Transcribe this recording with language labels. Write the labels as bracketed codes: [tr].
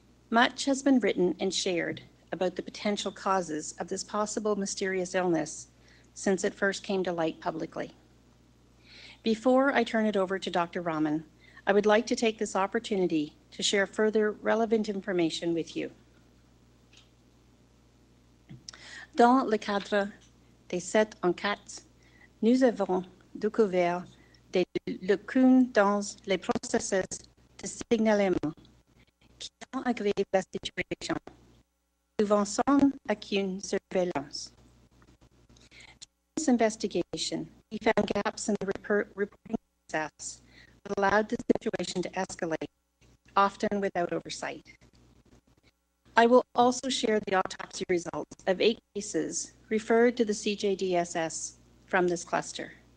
[en] Much has been written and shared about the potential causes of this possible mysterious illness since it first came to light publicly. Before I turn it over to Dr. Rahman, I would like to take this opportunity to share further relevant information with you. [fr] Dans le cadre des sept enquêtes, nous avons découvert des lacunes dans les processus de signalement qui ont aggravé la situation, souvent sans aucune surveillance. [en] During this investigation, we found gaps in the reporting process that allowed the situation to escalate, often without oversight. I will also share the autopsy results of eight cases referred to the CJDSS from this cluster.